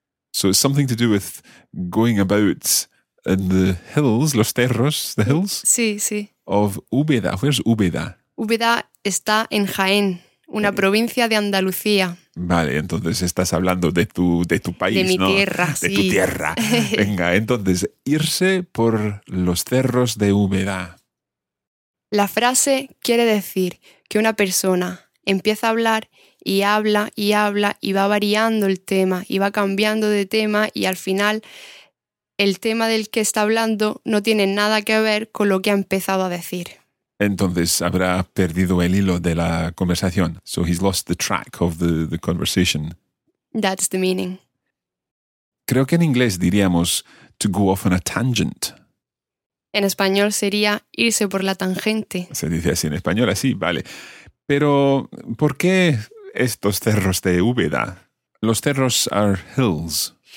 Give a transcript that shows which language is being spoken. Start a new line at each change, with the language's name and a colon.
English: So it's something to do with going about in the hills, los cerros, the hills.
Spanish: Sí, sí.
English: Of Úbeda. Where's Úbeda?
Spanish: Úbeda está en Jaén, una provincia de Andalucía. Vale, entonces estás hablando de tu país, de mi, ¿no? Tierra, de sí. Tu tierra. Venga, entonces irse por los cerros de Úbeda. La frase quiere decir que una persona empieza a hablar y habla y habla y va variando el tema y va cambiando de tema y al final el tema del que está hablando no tiene nada que ver con lo que ha empezado a decir. Entonces habrá perdido el hilo de la conversación.
English: So he's lost the track of the conversation. That's the meaning.
Spanish: Creo que en inglés diríamos
English: to go off on a tangent.
Spanish: En español sería irse por la tangente. Se dice así en español, así, vale. Pero, ¿por qué estos cerros de Úbeda?
English: Los cerros are hills.